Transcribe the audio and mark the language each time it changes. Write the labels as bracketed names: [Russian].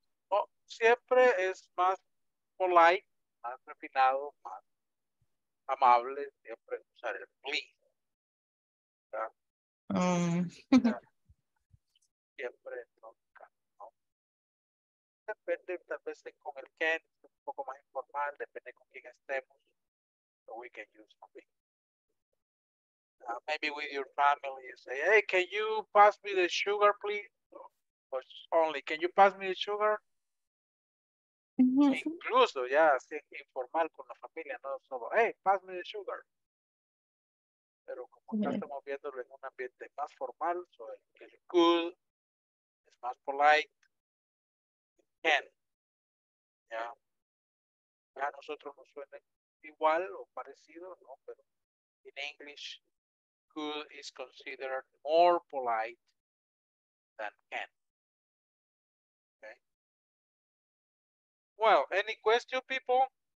[Spanish] Oh, siempre es más polite, más refinado, más amable, siempre usar el please. Yeah. Siempre toca, ¿no? depende tal vez con el can, un poco más informal, depende con quién estemos. [English] So we can use something. Maybe with your family, you say, hey, can you pass me the sugar, please? Or only, can you pass me the sugar? [Spanish] Mm-hmm. Incluso, ya, así informal con la familia, no solo, [English] hey, pass me the sugar. [Spanish] Pero como acá estamos viéndolo en un ambiente más formal, so el could es más polite, el can, ya. Ya a nosotros nos suena igual o parecido, ¿no? Pero en [English] English, could is considered more polite than can. Okay. Well, any question, people?